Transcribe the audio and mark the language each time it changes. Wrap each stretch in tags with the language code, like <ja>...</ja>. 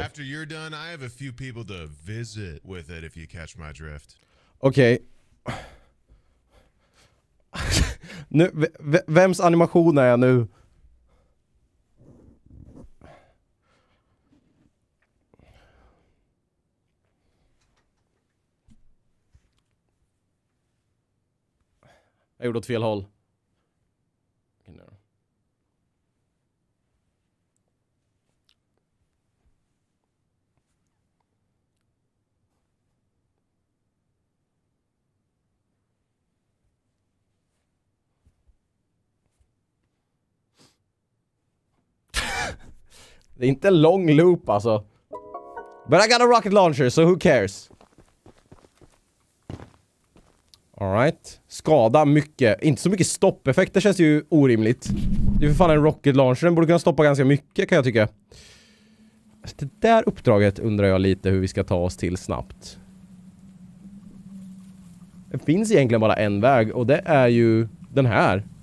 <en>After you're done, I have a few people to visit with it if you catch my drift. Okay.</en> <sv>Nu, vems animation är jag nu? Jag gjorde åt fel håll. Det är inte en lång loop alltså.</sv> <en>But I got a rocket launcher, so who cares?</en> <sv>All right. Skada mycket. Inte så mycket stoppeffekter, känns ju orimligt. Det är för fan en rocket launcher. Den borde kunna stoppa ganska mycket, kan jag tycka. Det där uppdraget undrar jag lite hur vi ska ta oss till snabbt. Det finns egentligen bara en väg och det är ju den här.</sv>